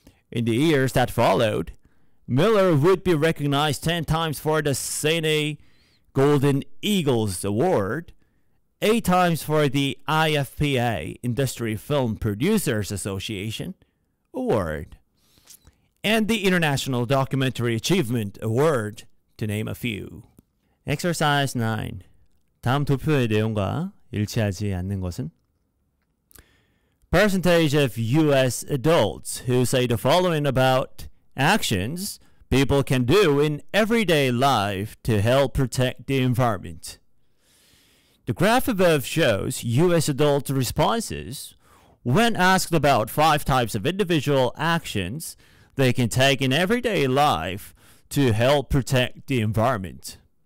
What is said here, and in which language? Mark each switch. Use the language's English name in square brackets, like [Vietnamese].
[English] In the years that followed, Miller would be recognized 10 times for the Cine Golden Eagles Award, 8 times for the IFPA, Industry Film Producers Association, Award, and the International Documentary Achievement Award, to name a few. Exercise 9. [Korean] 다음 도표의 내용과 일치하지 않는 것은? [English] Percentage of U.S. adults who say the following about actions people can do in everyday life to help protect the environment. The graph above shows U.S. adult responses when asked about 5 types of individual actions they can take in everyday life to help protect the environment.